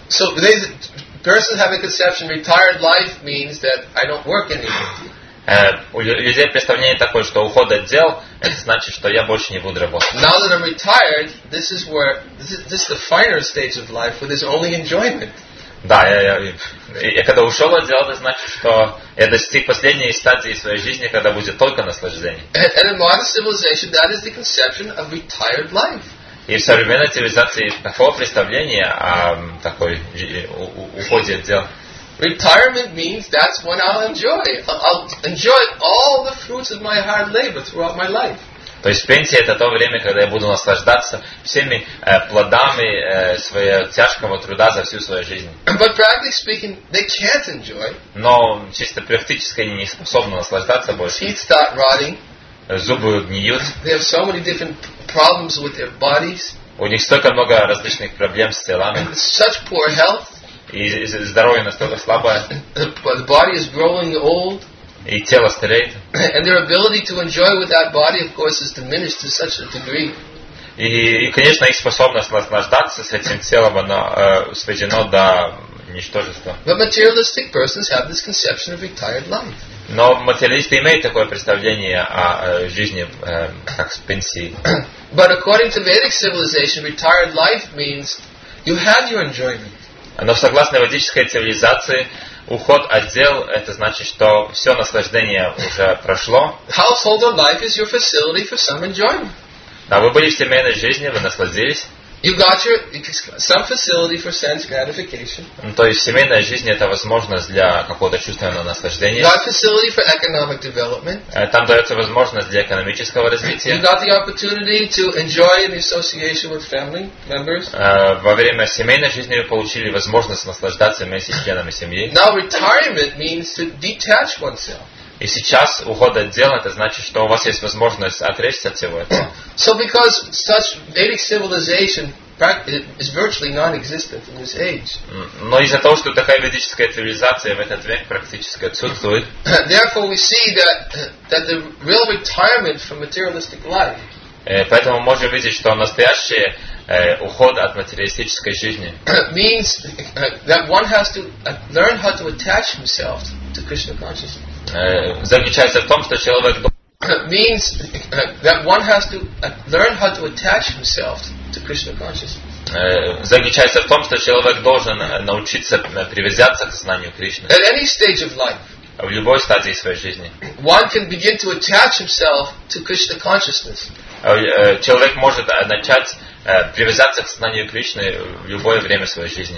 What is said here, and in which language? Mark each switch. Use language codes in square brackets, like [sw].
[en] So the person having conception retired life means that I don't work anymore. [ru] У людей представление такое, что уход от дел это значит, что я больше не буду работать. [en] Now that I'm retired, this is where this is the finer stage of life where there's only enjoyment. [ru] Да, я когда ушел от дел, это значит, что я достиг последней стадии своей жизни, когда будет только наслаждение. [en] And in modern civilization, that is the conception of retired life. [ru] И в современной цивилизации такого представления о такой уходе от дел. [en] Retirement means that's when I'll enjoy. I'll enjoy all the fruits of my hard labor throughout my life. [ru] То есть пенсия это то время, когда я буду наслаждаться всеми плодами своего тяжкого труда за всю свою жизнь. [en] But practically speaking, they can't enjoy. [ru] Но чисто практически они не способны наслаждаться больше. [en] Teeth start rotting. [ru] Зубы гниют. [en] They have so many different problems with their bodies. [ru] У них столько много различных проблем с телами. [en] And such poor health. [ru] И здоровье настолько слабое. [en] The body is growing old. [ru] и тело стареет. [en] And their ability to enjoy with that body, of course, is diminished to such a degree. [ru] И конечно, их способность наслаждаться с этим телом, она сведена до ничтожества. [en] But materialistic persons have this conception of retired life. [ru] Но материалисты имеют такое представление о жизни как с пенсии. [en] But according to Vedic civilization, retired life means you have your enjoyment. [ru] Но согласно ведической цивилизации, уход от дел это значит, что все наслаждение уже прошло. [en] Household life is your facility for some enjoyment. [ru] Да, вы были в семейной жизни, вы насладились. [en] You got your some facility for sense gratification. [ru] Ну, то есть семейная жизнь это возможность для какого-то чувственного наслаждения. [en] You got facility for economic development. [ru] Там дается возможность для экономического развития. [en] You got the opportunity to enjoy the association with family members. [ru] Во время семейной жизни вы получили возможность наслаждаться вместе с членами семьи. [en] Now retirement means to detach oneself. [ru] И сейчас уход от дел это значит, что у вас есть возможность отречься от всего этого. [en] So because such Vedic civilization is virtually non-existent in this age. [ru] Но из-за того, что такая ведическая цивилизация в этот век практически отсутствует. [en] Therefore we see that the real retirement from materialistic life. [ru] Поэтому мы можем видеть, что настоящий уход от материалистической жизни. [en] Means that one has to learn how to attach himself to Krishna consciousness. [ru] Заключается в том, что человек [en] means that one has to learn how to attach himself to Krishna consciousness. [ru] Заключается в том, что человек должен научиться привязаться к знанию Кришны. [en] At any stage of life. [ru] В любой стадии своей жизни. [en] One can begin to attach himself to Krishna consciousness. [ru] Человек может начать привязаться к знанию Кришны в любое время своей жизни.